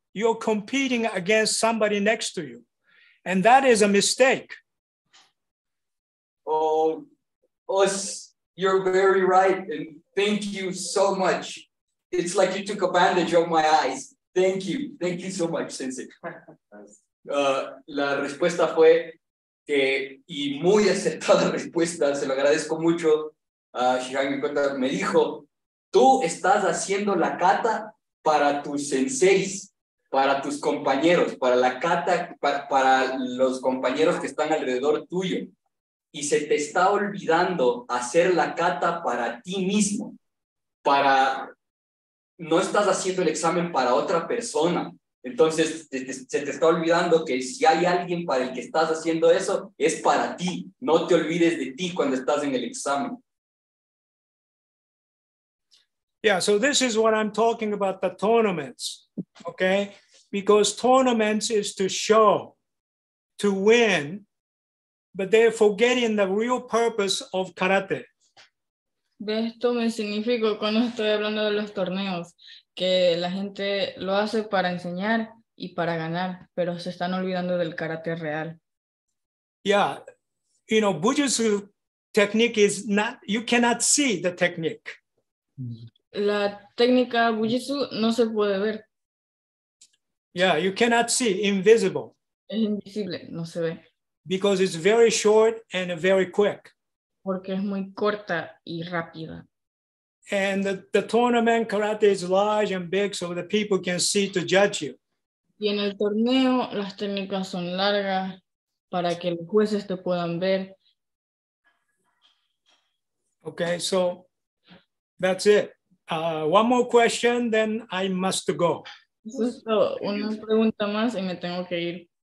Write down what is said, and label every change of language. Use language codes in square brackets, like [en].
[en] You're competing against somebody next to you. And that is a mistake. Oh, Os, you're very right. And thank you so much. It's like you took a bandage off my eyes. Thank you. Thank you so much, sensei. [es] La respuesta fue que, y muy acertada respuesta, se lo agradezco mucho a Shihan Yokota. Me dijo, tú estás haciendo la kata para tus senseis, para tus compañeros, para la kata, para los compañeros que están alrededor tuyo. Y se te está olvidando hacer la kata para ti mismo. Para, no estás haciendo el examen para otra persona. Entonces, se te está olvidando que si hay alguien para el que estás haciendo eso, es para ti. No te olvides de ti cuando estás en el examen. [en] Yeah, so this is what I'm talking about, the tournaments, okay? Because tournaments is to show, to win, but they're forgetting the real purpose of karate. [es] Esto me significa cuando estoy hablando de los torneos, que la gente lo hace para enseñar y para ganar, pero se están olvidando del karate real. [en] Yeah, you know, bujutsu technique is not, you cannot see the technique. [es] La técnica bujutsu no se puede ver. [en] Yeah, you cannot see, invisible. [es] Es invisible, no se ve. [en] Because it's very short and very quick. [es] Porque es muy corta y rápida. [en] And the tournament karate is large and big so the people can see to judge you. [es] Y en el torneo las técnicas son largas para que los jueces te puedan ver. [en] Okay, so that's it. One more question, then I must go. [es] Justo una pregunta más y me tengo que ir.